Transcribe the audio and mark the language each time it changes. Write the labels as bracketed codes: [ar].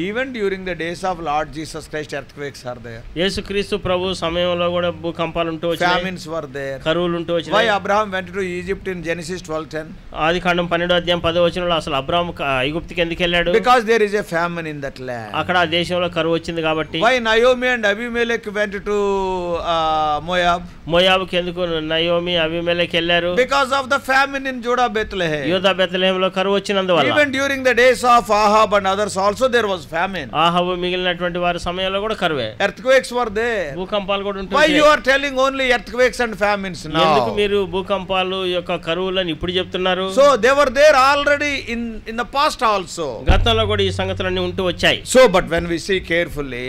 [en] even during the days of Lord Jesus Christ earthquakes are there, [te] యేసు క్రీస్తు ప్రభు సమయంలో కూడా భూకంపాలు ఉంటూ వచ్చాయి, [en] famines were there, [te] కరువులు ఉంటూ వచ్చాయి. [en] Why Abraham went to Egypt in Genesis 12:10, [te] ఆదికాండం 12:10 అసలు అబ్రహాం ఐగుప్తుకి ఎందుకు వెళ్ళాడు, [en] because there is a famine in that land, [te] అక్కడ ఆ దేశంలో కరువు వచ్చింది కాబట్టి. [en] Why Naomi and Abimelech went to Moab, [te] మోయాబుకి ఎందుకు నయోమి అబిమెలెక్ వెళ్ళారు, [en] because of the famine in Judah Bethlehem, [te] యూదా బెత్లెహేము లో కరువు వచ్చినందువల్ల. [en] Even during the days of Ahab and others also there was famine, [te] Ahab మిగిలినటువంటి వారి సమయంలో కూడా కరువే, [en] earthquakes were there, [te] భూకంపాలు కూడా ఉంటాయి. [en] why you are telling only earthquakes and famines now, [te] ఎందుకు మీరు భూకంపాలు యొక్క కరువులని ఇప్పుడు చెప్తున్నారు? [en] so they were there already in the past also, [te] గతంలో కూడా ఈ సంగతులన్నీ ఉంటూ వచ్చాయి. [en] so but when we see carefully,